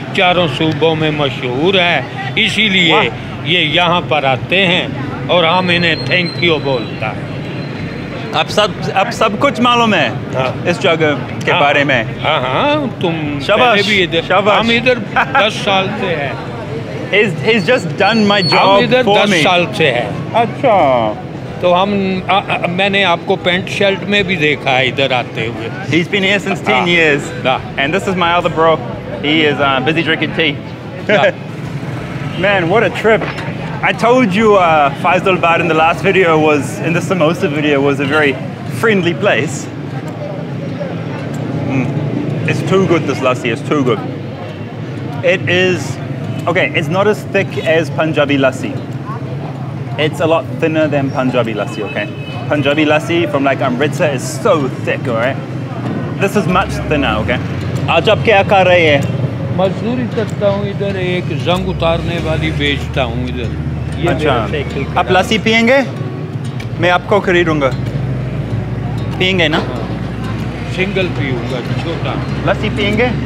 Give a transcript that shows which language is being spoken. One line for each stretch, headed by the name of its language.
Hindi: चारों सूबों में मशहूर है, इसीलिए ये यहाँ पर आते हैं और हम इन्हें थैंक यू बोलता है। अब सब कुछ मालूम है इस जगह के बारे में। हाँ, तुम शाबाश, भी इधर शाबाश। हम इधर 10 साल से हैं।
English: He's just done my job for me।
Hindi: हम इधर 10 साल से हैं। अच्छा। तो हम मैंने आपको पेंट शर्ट में भी देखा है इधर आते हुए।
English: He's been here since 10 years। And this is my other bro. He is busy drinking tea. Yeah. Man, what a trip. I told you Faisalabad in the last video was, in the samosa video, was a very friendly place. It's too good, this lassi, it's too good. It is, okay, it's not as thick as Punjabi lassi. It's a lot thinner than Punjabi lassi, okay? Punjabi lassi from like Amritsar is so thick, all right? This is much thinner, okay?
Hindi: आज आप क्या कर रहे हैं? मजदूरी करता हूँ इधर, एक जंग उतारने वाली बेचता हूँ इधर। अच्छा, आप लस्सी पियेंगे? मैं आपको खरीदूंगा। पियेंगे ना? सिंगल पीऊंगा, छोटा। लस्सी पियेंगे?